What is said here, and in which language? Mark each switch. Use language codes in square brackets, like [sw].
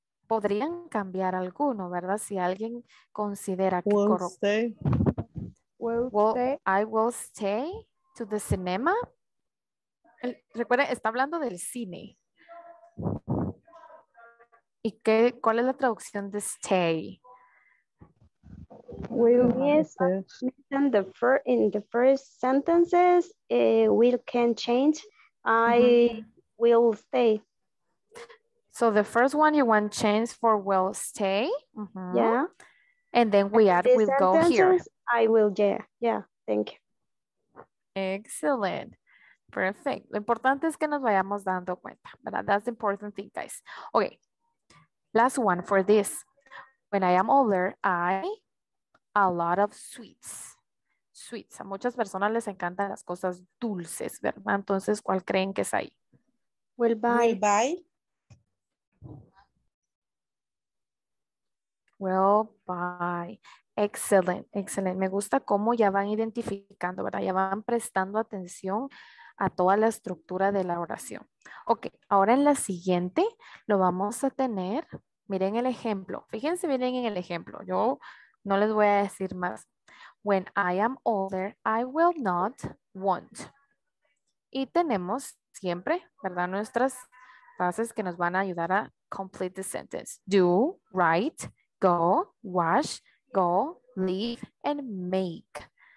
[es] Podrían cambiar alguno, ¿verdad? Si alguien considera que [en] will stay. Will stay. I will stay to the cinema. [es] Recuerda, está hablando del cine. ¿Y qué, cuál es la traducción de stay? [en] Will in the first sentences, will can change. I will stay. So the first one you want change for will stay. Mm-hmm. Yeah. And then we add will go here. I will, yeah. Yeah. Thank you. Excellent. Perfect. [es] Lo importante es que nos vayamos dando cuenta. [en] But that's the important thing, guys. Okay. Last one for this. When I am older, I a lot of sweets. Sweets. [es] A muchas personas les encantan las cosas dulces, ¿verdad? Entonces, ¿cuál creen que es ahí? [en] Will buy. Will buy. Will buy. Excellent, excellent. [es] Me gusta cómo ya van identificando, ¿verdad? Ya van prestando atención a toda la estructura de la oración. Ok, ahora en la siguiente lo vamos a tener. Miren el ejemplo. Fíjense bien en el ejemplo. Yo no les voy a decir más. [en] When I am older, I will not want. [es] Y tenemos siempre, ¿verdad? Nuestras frases que nos van a ayudar a [en] complete the sentence. Do, write, go, wash, go, leave, and make.